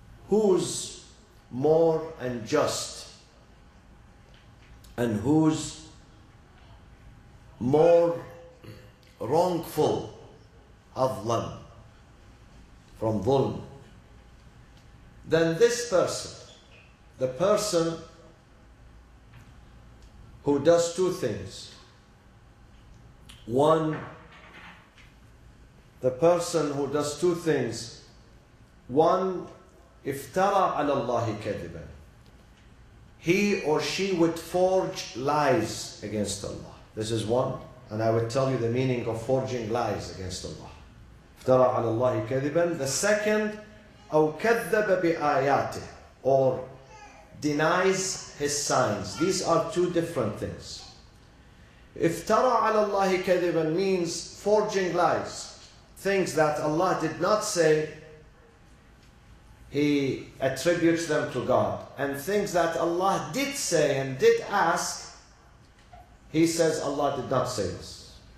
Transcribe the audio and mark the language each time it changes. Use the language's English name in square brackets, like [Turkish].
[English] Who's more unjust and who's more wrongful, أظلم from ظلم, than this person? The person who does two things. One, the person who does two things. [Arabic] One, افترى على الله كذبا. [English] He or she would forge lies against Allah. This is one. And I will tell you the meaning of forging lies against Allah. [Arabic] افترى على الله كذبا. [English] The second, [Arabic] أو كذب بآياته. [English] Or denies his signs. These are two different things. [Arabic] Iftara ala Allahi kadiban [English] means forging lies, things that Allah did not say, he attributes them to God. And things that Allah did say and did ask, he says Allah did not say this.